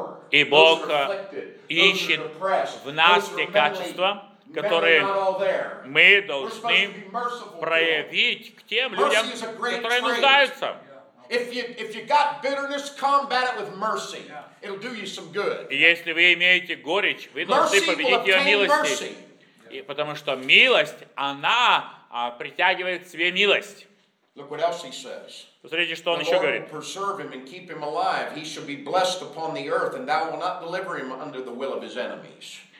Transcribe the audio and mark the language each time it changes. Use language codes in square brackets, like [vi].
[ru] И Бог ищет в нас те качества, которые мы должны проявить к тем людям, которые нуждаются. [en] If you got bitterness, combat it with mercy. It'll do you some good. [ru] Если вы имеете горечь, вы должны победить ее милостью. [en] Mercy will obtain mercy. [ru] Потому что милость, она притягивает к себе милость. [en] Look what else he says. [ru] Посмотрите, что он еще говорит. [en] The Lord will preserve him and keep him alive. He shall be blessed upon the earth, and thou wilt not deliver him under the will of his enemies.